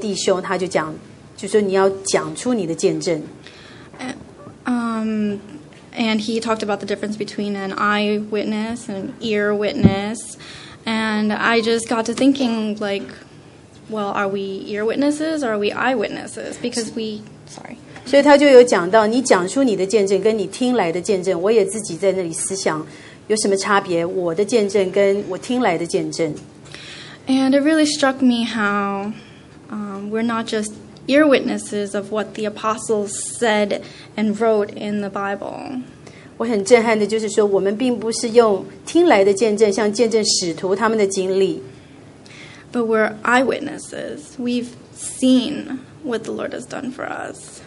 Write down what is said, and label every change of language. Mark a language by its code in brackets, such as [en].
[zh] 第一天晚上有人做见证，尤其是有一位弟兄，他就讲，就说你要讲出你的见证。 [en] And he talked about the difference between an eyewitness and ear witness, and I just got to thinking like. Well, are we ear witnesses or are we eye witnesses? Because we, sorry. [zh] 所以他就有讲到，你讲出你的见证跟你听来的见证，我也自己在那里思想，有什么差别？我的见证跟我听来的见证。 [en] And it really struck me how we're not just ear witnesses of what the apostles said and wrote in the Bible. [zh] 我很震撼的就是说，我们并不是用听来的见证，像见证使徒他们的经历。 [en] But we're eyewitnesses. We've seen what the Lord has done for us.